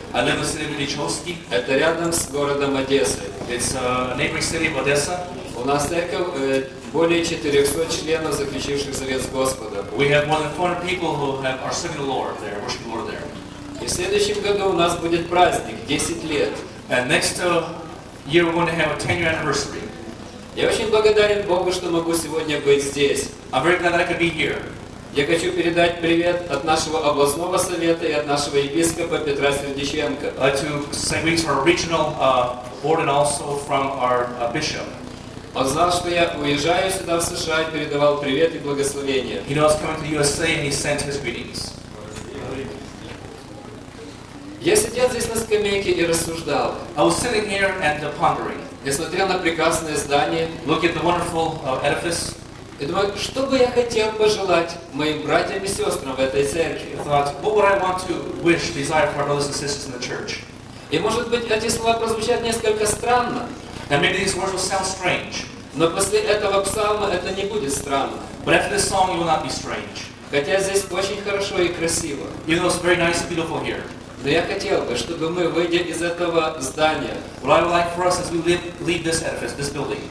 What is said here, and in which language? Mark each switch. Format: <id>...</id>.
<ru>А на Василий Ильичевский? Это рядом с городом Одессы.</ru> <en>It's a neighboring city of Odessa.</en> <ru>У нас церковь более 400 членов, заключивших завет с Господом.</ru> <en>We have more than 400 people who have are serving the Lord there, worshiping the Lord there.</en> <ru>И в следующем году у нас будет праздник, 10 лет.</ru> <en>And next year we're going to have a 10-year anniversary.</en> <ru>Я очень благодарен Богу, что могу сегодня быть здесь.</ru> <en>I'm very glad I could be here.</en> <ru>Я хочу передать привет от нашего областного совета и от нашего епископа Петра Сердиченко.</ru> <en>I'd like to say greetings from our regional board and also from our bishop.</en> <ru>Он знал, что я уезжаю сюда в США и передавал привет и благословение.</ru> <en>He knows coming to the USA and he sent his greetings.</en> <ru>Я сидел здесь на скамейке и рассуждал.</ru> <en>I was sitting here and pondering.</en> <ru>Я смотрел на прекрасное здание.</ru> <en>Look at the wonderful edifice.</en> <ru>И думаю, что бы я хотел пожелать моим братьям и сестрам в этой церкви.</ru> <en>I thought, what would I want to wish, desire for our brothers and sisters in the church?</en> <ru>И может быть эти слова прозвучат несколько странно.</ru> <en>And maybe these words will sound strange.</en> <ru>Но после этого псалма это не будет странно.</ru> <en>But after this song, it will not be strange.</en> <ru>Хотя здесь очень хорошо и красиво.</ru> <en>Even though it's very nice and beautiful here.</en> <ru>Но я хотел бы, чтобы мы, выйдя из этого здания,</ru> <en>what I would like for us as we leave this edifice, this building,</en>